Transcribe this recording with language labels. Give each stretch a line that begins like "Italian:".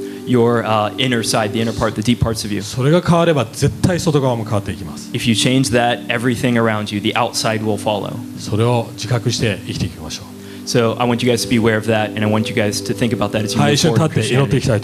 English: Your inner side, the inner part, the deep parts of you.
Japanese: それが変われば絶対外側も変わっていきます。
English: If you change that, everything around you, the outside will follow.
Japanese: それを自覚して生きていきましょう。
English: So I want you guys to be aware of that, and I want you guys to think about that as you move forward.